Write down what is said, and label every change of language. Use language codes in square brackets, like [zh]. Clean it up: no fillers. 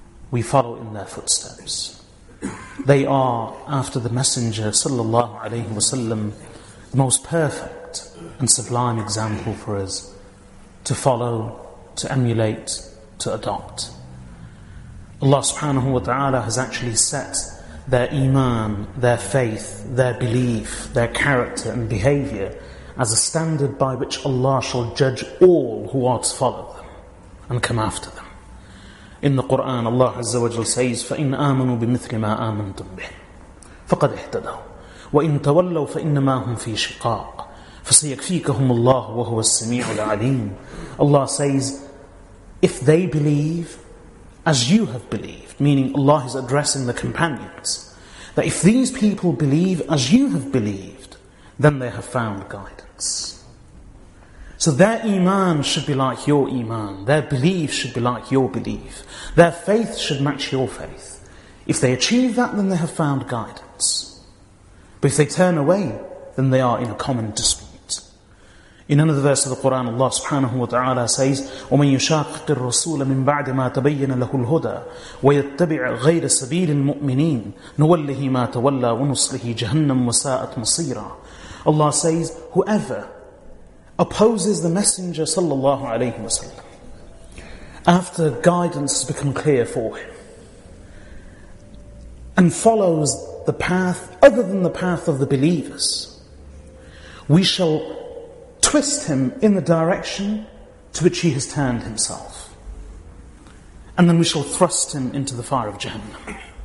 [en] We follow in their footsteps. They are, after the Messenger sallallahu alayhi wa sallam, the most perfect and sublime example for us to follow, to emulate, to adopt. Allah subhanahu wa ta'ala has actually set their iman, their faith, their belief, their character and behavior as a standard by which Allah shall judge all who are to follow them and come after them. [ar] In the Quran, Allah Azza wa Jalla says, فَإِنْ آمَنُوا بِمِثْلِ مَا آمَنْتُمْ بِهِ فَقَدْ اِهْتَدَوْا وَإِنْ تَوَلَّوْا فَإِنَّمَا هُمْ فِي شِقَاقٍ فَسَيَكْفِيكَهُمُ اللَّهُ وَهُوَ السَّمِيعُ الْعَلِيمُ. [en] Allah says, if they believe as you have believed, meaning Allah is addressing the companions, that if these people believe as you have believed, then they have found guidance. So their iman should be like your iman. Their belief should be like your belief. Their faith should match your faith. If they achieve that, then they have found guidance. But if they turn away, then they are in a common dispute. [ar] In another verse of the Quran, Allah subhanahu wa ta'ala says, وَمَنْ يُشَاقِقِ الرَّسُولَ مِنْ بَعْدِ مَا تَبَيَّنَ لَهُ الْهُدَى وَيَتَّبِعَ غَيْرَ سَبِيلِ الْمُؤْمِنِينَ نُوَلِّهِ مَا تَوَلَّى وَنُصْلِهِ جَهَنَّمْ وَسَاءَتْ مَصِيرًا. [en] Allah says, whoever opposes the Messenger sallallahu alayhi wa sallam after guidance has become clear for him and follows the path other than the path of the believers, we shall twist him in the direction to which he has turned himself, and then we shall thrust him into the fire of Jahannam.